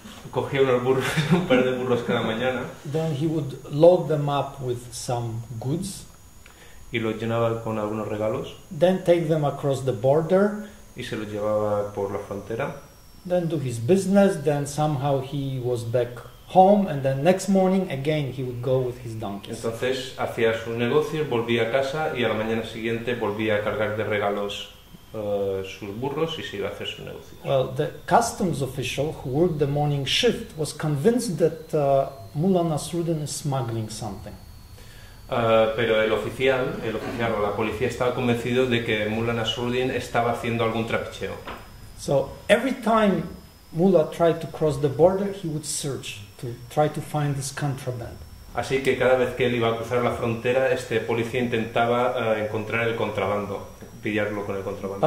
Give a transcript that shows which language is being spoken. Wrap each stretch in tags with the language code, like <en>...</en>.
<es>Cogía unos burros, un par de burros cada mañana.</es> <en>Then he would load them up with some goods.</en> <es>Y los llenaba con algunos regalos.</es> <en>Then take them across the border.</en> <es>Y se los llevaba por la frontera.</es> <en>Then do his business. Then somehow he was back home, and then next morning again he would go with his donkeys.</en> <es>Entonces hacía sus negocios, volvía a casa y a la mañana siguiente volvía a cargar de regalos sus burros y se iba a hacer su negocio.</es> <en>Well, the customs official who worked the morning shift was convinced that Mullah Nasruddin is smuggling something.</en> <es>Pero el oficial o la policía estaba convencido de que Mullah Nasruddin estaba haciendo algún trapicheo.</es> <en>So every time Mullah tried to cross the border, he would search to try to find this contraband.</en> <es>Así que cada vez que él iba a cruzar la frontera, este policía intentaba encontrar el contrabando, pillarlo con el contrabando.</es>